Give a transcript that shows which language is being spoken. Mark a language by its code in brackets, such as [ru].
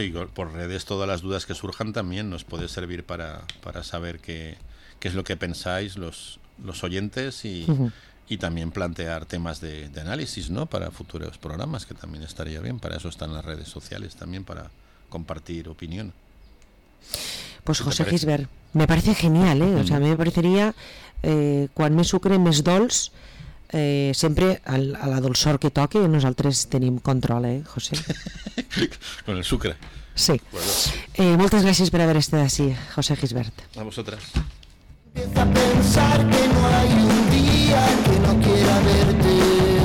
[es] Y por redes, todas las dudas que surjan también nos puede servir para saber qué es lo que pensáis los oyentes y también plantear temas de análisis, ¿no? Para futuros programas, que también estaría bien. Para eso están las redes sociales también, para compartir opinión. Pues José Gisbert, me parece genial, ¿eh? O sea, a mí me parecería [ca] quan més sucre, més dolç, sempre a la dolçor que toque, nosaltres tenim control, ¿eh, José? [es] Con el sucre. Sí. Bueno. [ca] Moltes gràcies per haver estat així, José Gisbert. A vosaltres. [es] Empieza a pensar que no hay un día que no quiera verte.